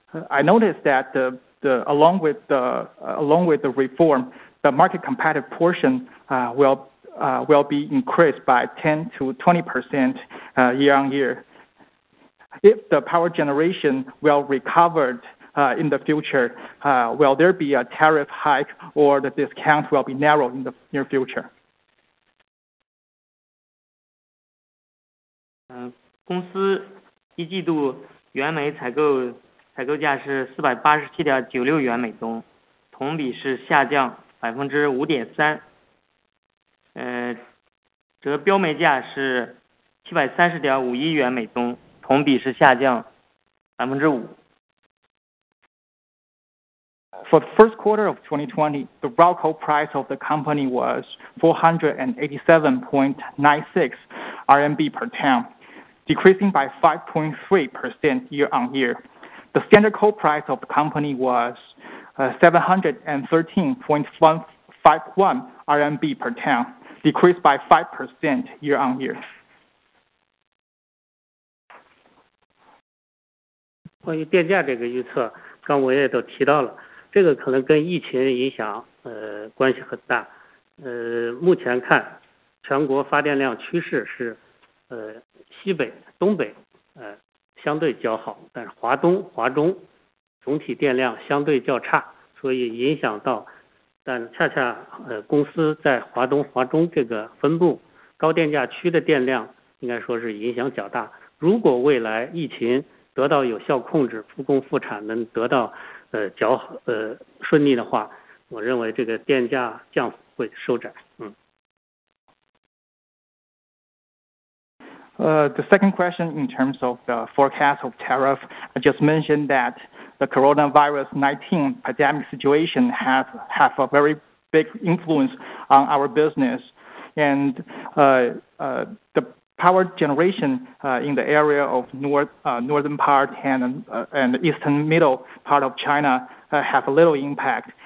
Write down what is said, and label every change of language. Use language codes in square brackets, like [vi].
[en] I noticed that along with the reform, the market competitive portion will be increased by 10% to 20% year-on-year. If the power generation will recover in the future, will there be a tariff hike or the discount will be narrowed in the near future? [zh] 公司一季度原煤采购价是487.96元每吨，同比是下降5.3%。则标煤价是730.51元每吨，同比是下降5%。 [en] For the first quarter of 2020, the raw coal price of the company was 487.96 RMB per ton, decreasing by 5.3% year-on-year. The standard coal price of the company was 713.151 RMB per ton, decreased by 5% year-on-year. [zh] 关于电价这个预测，刚我也都提到了，这个可能跟疫情影响关系很大。目前看全国发电量趋势是西北东北相对较好，但是华东华中总体电量相对较差，所以影响到，但恰恰公司在华东华中这个分布高电价区的电量应该说是影响较大。如果未来疫情得到有效控制，复工复产能得到较好顺利的话，我认为这个电价降幅会收窄。 [en] The second question in terms of the forecast of tariff, I just mentioned that the coronavirus 19 pandemic situation has have a very big influence on our business. And the power generation in the area of northern part and eastern middle part of China have a little impact.